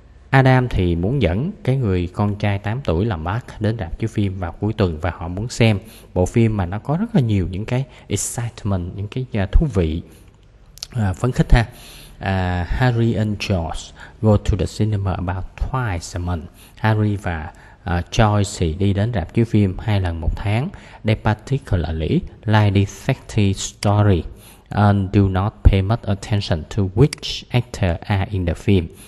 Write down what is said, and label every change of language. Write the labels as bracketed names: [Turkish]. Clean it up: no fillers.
[Vietnamese] Adam thì muốn dẫn cái người con trai 8 tuổi là Mark đến rạp chiếu phim vào cuối tuần, và họ muốn xem bộ phim mà nó có rất là nhiều những cái excitement, những cái thú vị, phấn khích ha. [English] Harry and George go to the cinema about twice a month. [Vietnamese] Harry và Joyce thì đi đến rạp chiếu phim 2 lần một tháng. [English] They particularly like detective story and do not pay much attention to which actor are in the film.